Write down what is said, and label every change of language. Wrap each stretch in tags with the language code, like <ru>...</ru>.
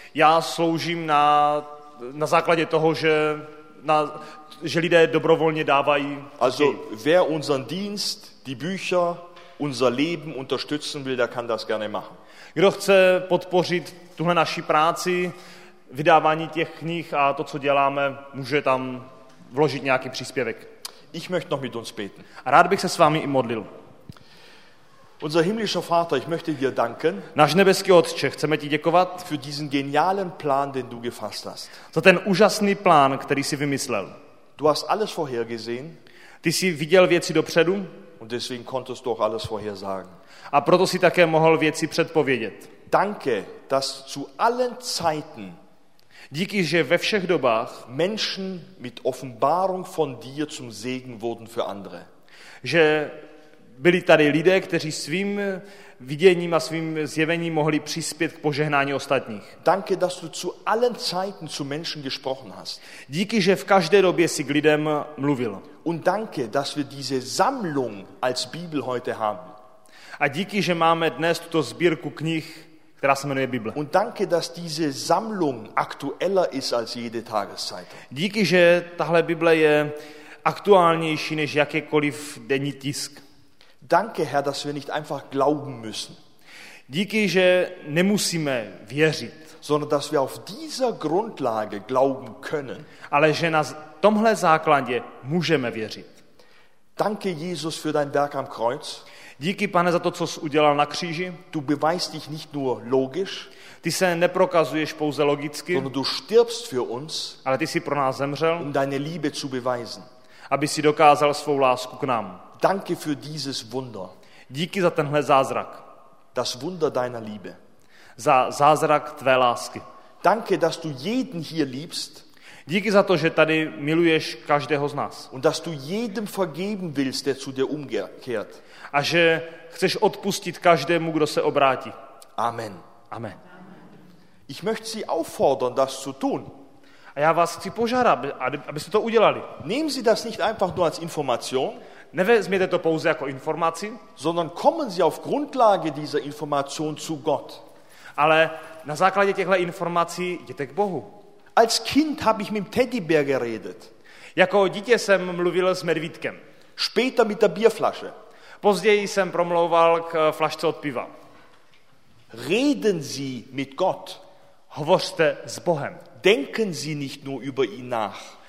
<cs>Já sloužím na základě toho, že lidé dobrovolně dávají.</cs> <de>Also, wer unseren Dienst, die Bücher, unser Leben unterstützen will, der kann das gerne machen.</de> <cs>Kdo chce podpořit tuhle naši práci, vydávání těch knih a to, co děláme, může tam vložit nějaký příspěvek.</cs> <de>Ich möchte noch mit uns beten.</de> <cs>A rád bych se s vámi i modlil.</cs> <de>Unser himmlischer Vater, ich möchte dir danken.</de> <cs>Náš nebeský Otče, chceme ti děkovat</cs> <de>für diesen genialen Plan, den du gefasst hast.</de> <cs>Za ten úžasný plán, který jsi vymyslel.</cs> <de>Du hast alles vorhergesehen.</de> <cs>Ty jsi viděl věci dopředu.</cs> <de>Und deswegen konntest du auch alles vorhersagen.</de> <cs>A proto jsi také mohl věci předpovědět.</cs> <de>Danke, dass zu allen Zeiten.</de> <cs>Díky, že ve všech dobách</cs> <de>Menschen mit Offenbarung von dir zum Segen wurden für andere.</de> <cs>Že byli tady lidé, kteří svým viděním a svým zjevením mohli přispět k požehnání ostatních.</cs> <de>Danke, dass du zu allen Zeiten zu Menschen gesprochen hast.</de> <cs>Díky, že v každé době si k lidem mluvil.</cs> <de>Und danke, dass wir diese Sammlung als Bibel heute haben.</de> <cs>A díky, že máme dnes tuto sbírku knih, která se jmenuje Bible.</cs> <de>Und danke, dass diese Sammlung aktueller ist als jede Tageszeitung.</de> <cs>Díky, že tahle Bible je aktuálnější než jakýkoliv denní tisk.</cs> <de>Danke, Herr, dass wir nicht einfach glauben müssen.</de> <cs>Díky, že nemusíme věřit,</cs> <de>sondern dass wir auf dieser Grundlage glauben können.</de> <cs>Ale že na tomhle základě můžeme věřit.</cs> <de>Danke, Jesus, für dein Werk am Kreuz.</de> <cs>Díky, Pane, za to, co jsi udělal na kříži.</cs> <de>Du beweist dich nicht nur logisch.</de> <cs>Ty se neprokazuješ pouze logicky.</cs> <de>Sondern du stirbst für uns.</de> <cs>Ale ty jsi pro nás zemřel.</cs> <de>Um deine Liebe zu beweisen.</de> <cs>Aby si dokázal svou lásku k nám.</cs> <de>Danke für dieses Wunder.</de> <cs>Díky za tenhle zázrak.</cs> <de>Das Wunder deiner Liebe.</de> <cs>Za zázrak tvé lásky.</cs> <de>Danke, dass du jeden hier liebst.</de> <cs>Díky za to, že tady miluješ každého z nás.</cs> <de>Und dass du jedem vergeben willst, der zu dir umkehrt.</de> <cs>A že chceš odpustit každému, kdo se obrátí.</cs> <de>Amen.</de> <cs>Amen.</cs> <de>Ich möchte Sie auffordern, das zu tun.</de> <cs>A já vás chci požádat, abyste to udělali.</cs> <de>Nehmen Sie das nicht einfach nur als Information.</de> <cs>Nevezměte to pouze jako informaci.</cs> <de>Sondern kommen Sie auf Grundlage dieser Information zu Gott.</de> <cs>Ale na základě těchto informací jděte k Bohu.</cs> <de>Als Kind habe ich mit dem Teddybär geredet.</de> <cs>Jako dítě jsem mluvil s medvídkem.</cs> <de>Später mit der Bierflasche.</de> <cs>Později jsem promlouval k flašce od piva.</cs> <de>Reden Sie mit Gott.</de> <cs>Hovořte s Bohem.</cs> <de>Denken Sie nicht nur über ihn nach.</de>